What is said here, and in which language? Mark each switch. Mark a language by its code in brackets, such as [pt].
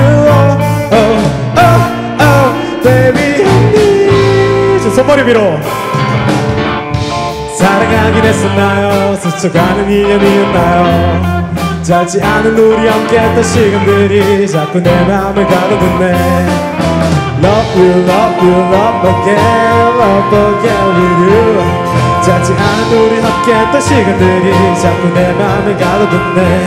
[en] Oh, oh, oh, baby, honey. [ko] 손머리 밀어. 사랑하긴 했었나요? 스쳐가는 인연이었나요? 짧지 않은 우리 함께 했던 시간들이 자꾸 내 마음을 가로듣네. [en] Love you, love you, love again with you. [ko] 짧지 않은 우리 함께 했던 시간들이 자꾸 내 마음을 가로듣네.